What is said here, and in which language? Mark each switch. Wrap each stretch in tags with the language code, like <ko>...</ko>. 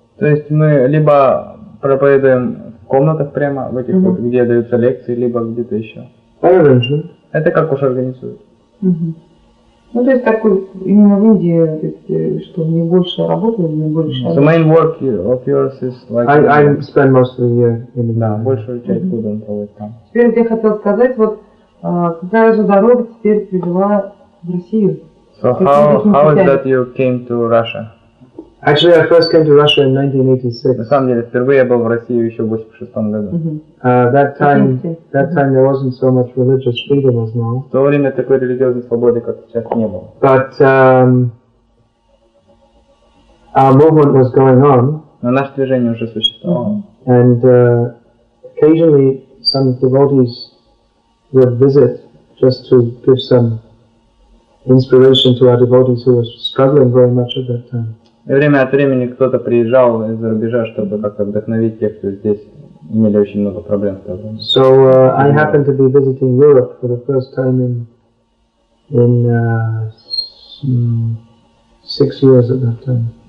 <ru>То есть мы либо проповедуем в комнатах прямо в этих, вот, где даются лекции, либо где-то еще.</ru> <en>By arrangement.</en> <ru>Это как уж организуют. Ну, то есть такой именно в Индии, то есть, что мне больше работы, мне больше.</ru> <en>The main work of yours is like. I spend most of the year in the land.</en> <ru>Большую часть года проводит там. Теперь я хотел сказать, вот какая же дорога теперь привела в Россию.</ru> <en>So how is that you came to Russia? Actually, I first came to Russia in 1986.</en> <ru>На самом деле, впервые я был в России еще в 86 году.</ru> <en>That time there wasn't so much religious freedom as now.</en> <ru>В то время такой религиозной свободы, как сейчас, не было.</ru> <en>But our movement was going on.</en> <ru>Но наше движение уже существовало.</ru> <en>And occasionally some devotees would visit just to give some inspiration to our devotees who were struggling very much at that time.</en> <ru>И время от времени кто-то приезжал из-за рубежа, чтобы как-то вдохновить тех, кто здесь имели очень много проблем с этим.</ru> <en>So I happened to be visiting Europe for the first time in 6 years at that time.</en>